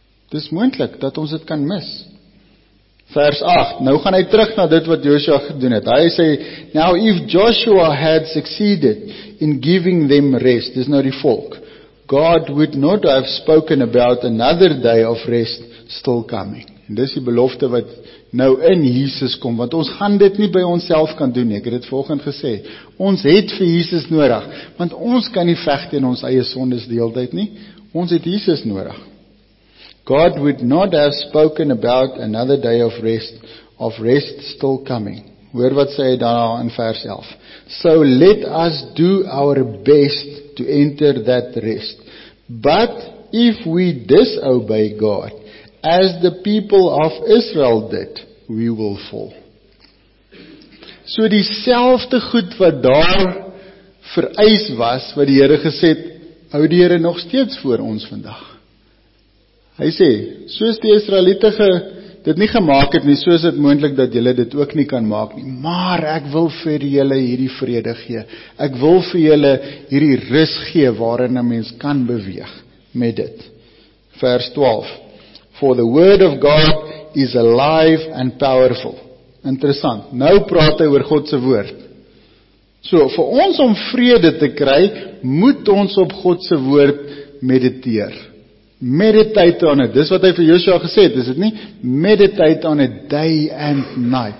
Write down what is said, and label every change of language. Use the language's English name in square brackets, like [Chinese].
[Afrikaans] Dis moontlik dat ons dit kan mis. Vers 8, nou gaan hy terug na dit wat Joshua gedoen het. Hy sê, [English] now if Joshua had succeeded in giving them rest, [Afrikaans] dis nou die volk, [English] God would not have spoken about another day of rest still coming. [Afrikaans] En dis die belofte wat nou in Jesus kom, want ons gaan dit nie by onsself kan doen nie. Ek het dit volgend gesê, ons het vir Jesus nodig, want ons kan nie veg teen ons eie sondes die hele tyd nie. Ons het Jesus nodig. [English] God would not have spoken about another day of rest still coming. [Afrikaans] Hoor wat sê hy daarna in vers 11. [English] So let us do our best to enter that rest. But if we disobey God, as the people of Israel did, we will fall. [Afrikaans] So dieselfde goed wat daar vereis was, wat die Here gesê het, hou die Here nog steeds voor ons vandag. Hy sê, soos die Israelite dit nie gemaak het nie, soos dit moontlik dat julle dit ook nie kan maak nie, maar ek wil vir julle hierdie vrede gee. Ek wil vir julle hierdie rus gee waarin 'n mens kan beweeg met dit. Vers 12. [English] For the word of God is alive and powerful. [Afrikaans] Interessant. Nou praat hy oor God se woord. So, vir ons om vrede te kry, moet ons op God se woord mediteer. [English] Meditate on it. [Afrikaans] Dis wat hy vir Joshua gesê het, is dit nie? [English] Meditate on it day and night.